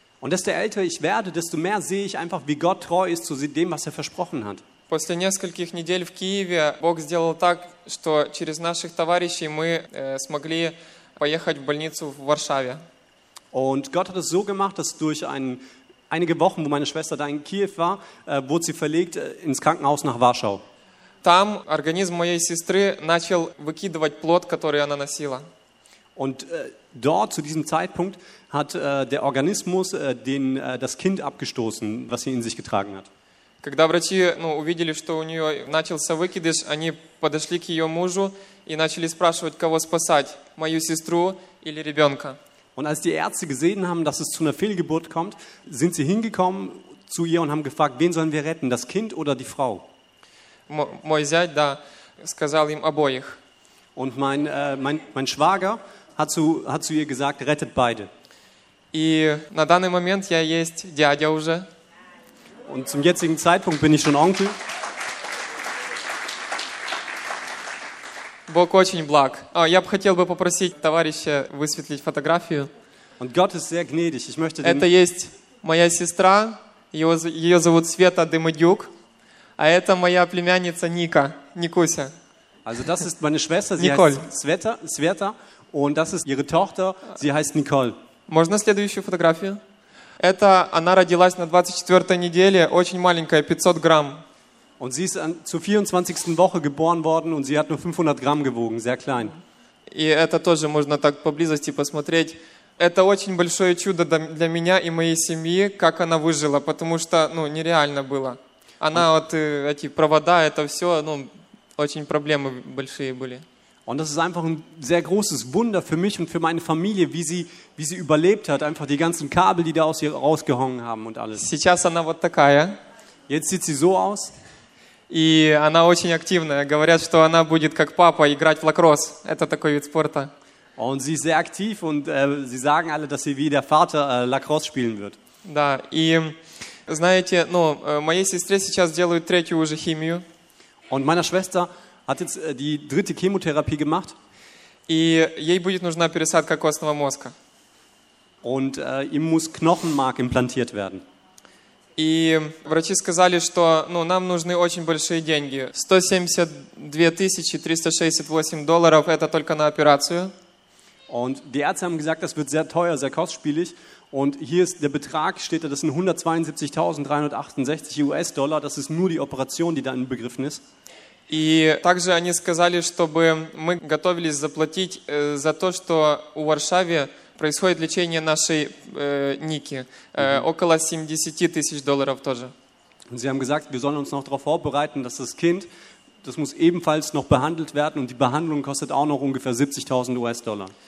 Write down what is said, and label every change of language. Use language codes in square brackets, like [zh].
[de] Und desto älter ich werde, desto mehr sehe ich einfach, wie Gott treu ist zu dem, was er versprochen hat. [ru] После нескольких недель в Киеве Бог сделал так, что через наших товарищей мы смогли поехать в больницу в Варшаве. [de] Und Gott hat es so gemacht, dass durch einige Wochen, wo meine Schwester da in Kiew war, wurde sie verlegt ins Krankenhaus nach Warschau. [ru] Там организм моей сестры начал выкидывать плод, который она носила. [de] Und dort zu diesem Zeitpunkt hat der Organismus das Kind abgestoßen, was sie in sich getragen hat. [ru] Когда врачи, ну, увидели, что у нее начался выкидыш, они подошли к ее мужу и начали спрашивать, кого спасать, мою сестру или ребенка. [de] Und als die Ärzte gesehen haben, dass es zu einer Fehlgeburt kommt, sind sie hingekommen zu ihr und haben gefragt, wen sollen wir retten, das Kind oder die Frau? [ru] Мой зять, да, сказал им обоих. [de] Und mein Schwager hat zu ihr gesagt, rettet beide. [ru] И на данный момент я есть дядя уже. [de] Und zum jetzigen Zeitpunkt bin ich schon Onkel. [ru] Бог очень благ. Я бы хотел бы попросить товарища высветлить фотографию. [de] Und Gott ist sehr gnädig. Ich möchte [ru] это есть моя сестра. Ее зовут Света Демидюк. А это моя племянница Ника. Никуся. [de] Also das ist meine Schwester. Sie Nicole. Heißt Света. Und das ist ihre Tochter. Sie heißt Nicole. [ru] Можно следующую фотографию? Это она родилась на 24-й неделе, очень маленькая, 500 грамм. [de] Und sie ist zur 24. Woche geboren worden und sie hat nur 500 Gramm gewogen, sehr klein. [ru] И это тоже можно так поблизости посмотреть. Это очень большое чудо для меня и моей семьи, как она выжила, потому что, ну, нереально было. Она вот эти провода, это все, ну, очень проблемы большие были. [de] Und das ist einfach ein sehr großes Wunder für mich und für meine Familie, wie sie überlebt hat, einfach die ganzen Kabel, die da aus ihr rausgehangen haben und alles. [ru] Сейчас она вот такая. [de] Jetzt sieht sie so aus. [ru] И она очень активная. Говорят, что она будет как папа играть в лакросс. Это такой вид спорта. [de] Und sie ist sehr aktiv und sie sagen alle, dass sie wie der Vater Lacrosse spielen wird. [ru] Да, и знаете, ну, моей сестре сейчас делают третью уже химию. [de] Und meiner Schwester hat jetzt die dritte Chemotherapie gemacht. [ru] И ей будет нужна пересадка костного мозга. [de] Und ihm muss Knochenmark implantiert werden. [ru] И врачи сказали, что ну, нам нужны очень большие деньги. 172 368 долларов это только на операцию. [de] Und die Ärzte haben gesagt, das wird sehr teuer, sehr kostspielig. Und hier ist der Betrag, steht da, das sind 172.368 US-Dollar. Das ist nur die Operation, die da inbegriffen ist. [ru] И также они сказали, чтобы мы готовились заплатить за то, что в Варшаве происходит лечение нашей Ники. Около 70 тысяч долларов тоже. [de] Und sie haben gesagt, wir sollen uns noch darauf vorbereiten, dass das Kind, das muss ebenfalls noch behandelt werden und die Behandlung kostet auch noch ungefähr 70.000 US-Dollar.